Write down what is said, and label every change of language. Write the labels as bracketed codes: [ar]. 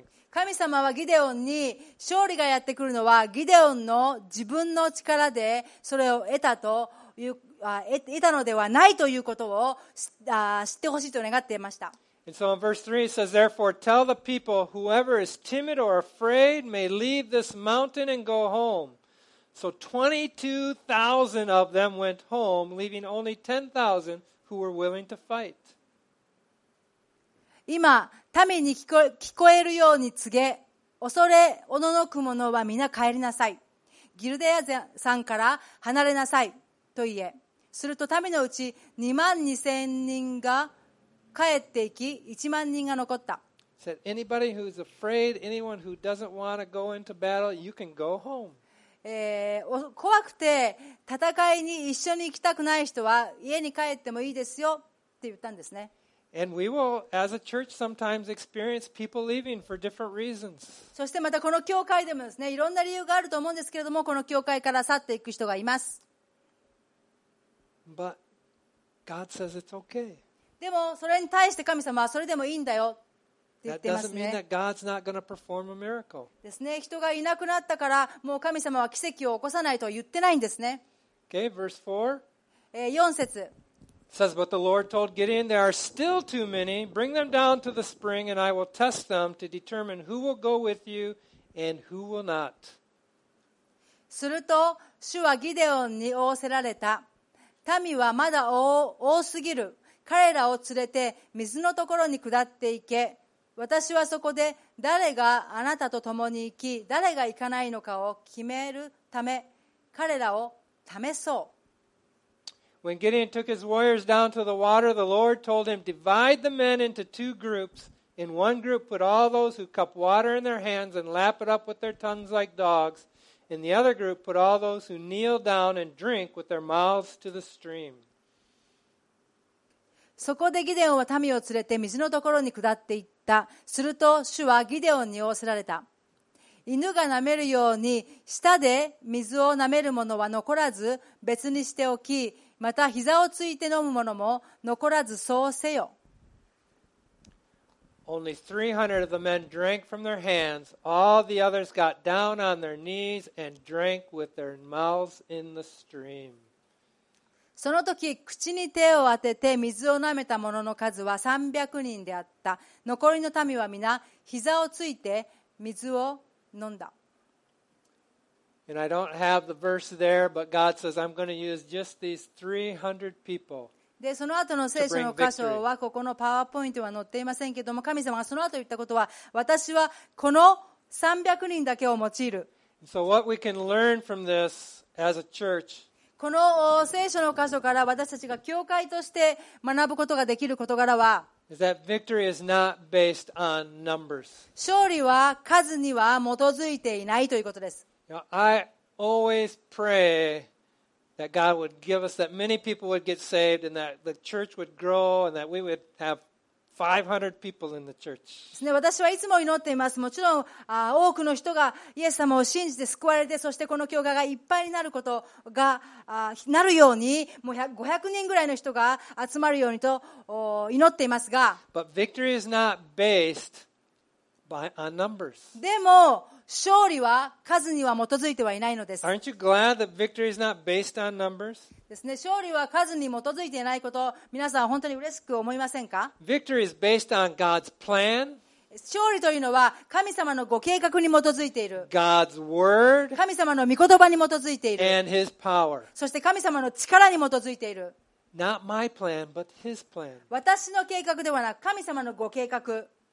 [ja] 神様はギデオンに勝利がやってくるのはギデオンの自分の力でそれを得たという得たのではないということを知ってほしいと願っていました。 [en] And so in verse 3 it says, Therefore tell the people, whoever is timid or afraid may leave this mountain and go home. So 22,000 of them went home, leaving only 10,000 who who were willing to fight. [ja] 今、民に聞こえるように告げ、恐れおののく者は皆帰りなさい。ギルデヤさんから離れなさいと言え。すると民のうち22,000人が帰っていき、10,000人が残った。 [en] Said anybody who's afraid, anyone who doesn't want to go into battle, you can go home. [ja] 怖くて戦いに一緒に行きたくない人は家に帰ってもいいですよって言ったんですね。 [en] And we will, as a church, sometimes experience people leaving for different reasons. [ja] そしてまたこの教会でもですね、いろんな理由があると思うんですけれども、この教会から去っていく人がいます。 [en] But God says it's okay. [ja] でもそれに対して神様はそれでもいいんだよって言ってますね。 [en] That doesn't mean that God's not going to perform a miracle. [ja] ですね、人がいなくなったからもう神様は奇跡を起こさないと言ってないんですね。 [en] Okay, verse four. [ja] 4節。 [en] Says, but the Lord told Gideon, there are still too many. Bring them down to the spring, and I will test them to determine who will go with you and who will not. [ja] すると主はギデオンに仰せられた。民はまだ多すぎる。彼らを連れて水のところに下っていけ。私はそこで誰があなたと共に行き、誰が行かないのかを決めるため、彼らを試そう。 [en] When Gideon took his warriors down to the water, the Lord told him, divide the men into two groups. In one group, put all those who cup water in their hands and lap it up with their tongues like dogs. In the other group, put all those who kneel down and drink with their mouths to the stream. [ja] そこでギデオンは民を連れて水のところに下っていった。すると主はギデオンに仰せられた。犬が舐めるように舌で水を舐める者は残らず別にしておき、また膝をついて飲む者も残らずそうせよ。 [en] Only 300 of the men drank from their hands. All the others got down on their knees and drank with their mouths in the stream. [ja] その時、口に手を当てて水を舐めた者の数は300人であった。残りの民は皆膝をついて水を飲んだ。 [en] And I don't have the verse there, but God says I'm going to use just these 300 people. [ja] で、その後の聖書の箇所はここのパワーポイントは載っていませんけども、神様がその後言ったことは、私はこの300人だけを用いる。 [en] So what we can learn from this as a church? [ja] この聖書の箇所から私たちが教会として学ぶことができる事柄は、 [en] is that victory is not based on numbers. [ja] 勝利は数には基づいていないということです。 [en] You know, I always pray that God would give us that many people would get saved and that the church would grow and that we would have 500 people in the church. [ja] 私はいつも祈っています。もちろん多くの人がイエス様を信じて救われて、そしてこの教会がいっぱいになることがなるように、もう500人ぐらいの人が集まるようにと祈っていますが、 [en] But victory is not based on numbers. [ja] でも勝利は数には基づいてはいないのです。 [en] Aren't you glad that victory is not based on numbers? [ja] ですね、勝利は数に基づいていないこと、皆さんは本当に嬉しく思いませんか？ [en] Victory is based on God's plan. [ja] 勝利というのは神様のご計画に基づいている。 [en] God's word. [ja] 神様の御言葉に基づいている。 [en] And His power. [ja] そして神様の力に基づいている。 [en] Not my plan, but His plan. [ja] 私の計画ではなく神様のご計画。